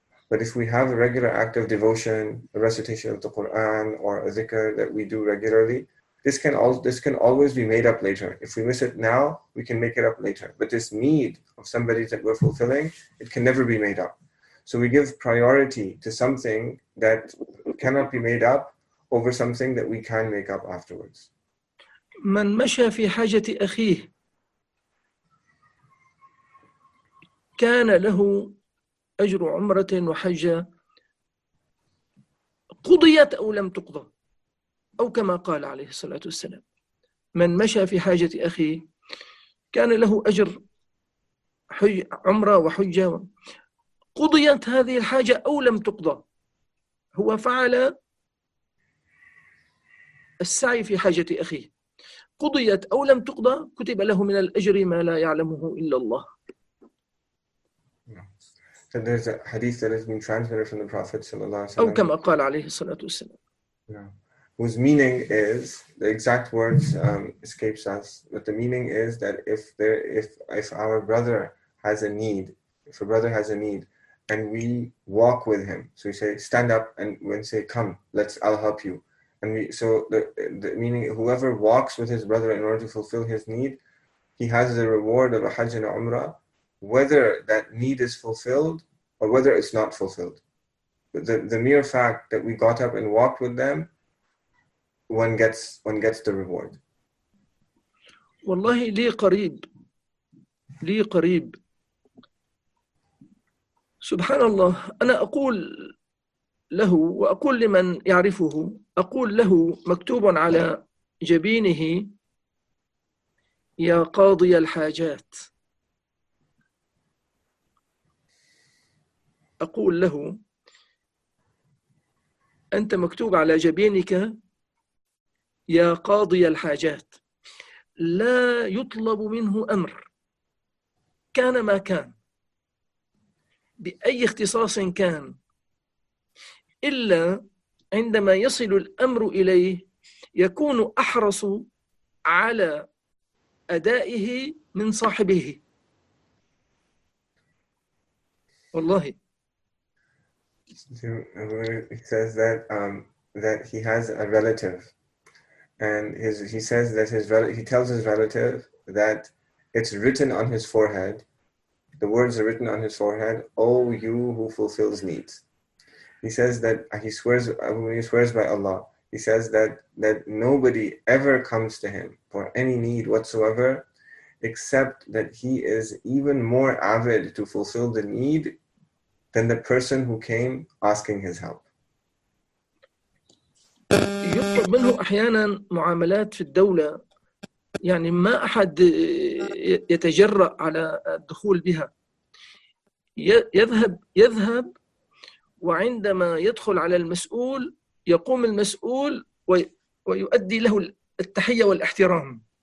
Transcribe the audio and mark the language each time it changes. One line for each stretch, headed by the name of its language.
English: But if we have a regular act of devotion, a recitation of the Quran or a zikr that we do regularly, this can always be made up later. If we miss it now, we can make it up later. But this need of somebody that we're fulfilling, it can never be made up. So we give priority to something that cannot be made up over something that we can make up afterwards.
Arabic: من مشى في حاجة أخيه كان له أجر عمرة وحجة قضيت أو لم تقضى، أو كما قال عليه الصلاة والسلام، من مشى في حاجة أخيه كان له أجر عمرة وحجة قضيت هذه الحاجة أو لم تقضى. هو فعل السعي في حاجة أخيه، قضيت أو لم تقضى كتب له من الأجر ما لا يعلمه إلا الله.
English: So there's a hadith that has been transmitted from the Prophet sallallahu alaihi wasallam.
Arabic: أو كما قال عليه الصلاة والسلام.
English: Whose meaning is, the exact words escapes us, but the meaning is that if our brother has a need, if a brother has a need, and we walk with him, so we say stand up, and when say come, I'll help you, and we so the meaning whoever walks with his brother in order to fulfill his need, he has the reward of a Hajj and a Umrah. Whether that need is fulfilled or whether it's not fulfilled, the mere fact that we got up and walked with them, one gets the reward.
Arabic: والله لي قريب سبحان الله. أنا أقول له وأقول لمن يعرفه، أقول له مكتوب على جبينه يا قاضي الحاجات. أقول له أنت مكتوب على جبينك يا قاضي الحاجات، لا يطلب منه أمر، كان ما كان بأي اختصاص كان، إلا عندما يصل الأمر إليه يكون أحرص على أدائه من صاحبه. والله
English: He says that that he has a relative, and he tells his relative that it's written on his forehead, the words are written on his forehead, oh you who fulfills needs. He says that he swears by Allah, he says that nobody ever comes to him for any need whatsoever, except that he is even more avid to fulfill the need than the person who came asking his help.
Arabic: يطلب منه أحياناً معاملات في الدولة يعني ما أحد يتجرأ على الدخول بها. يذهب وعندما يدخل على المسؤول يقوم المسؤول ويؤدي له التحية والاحترام.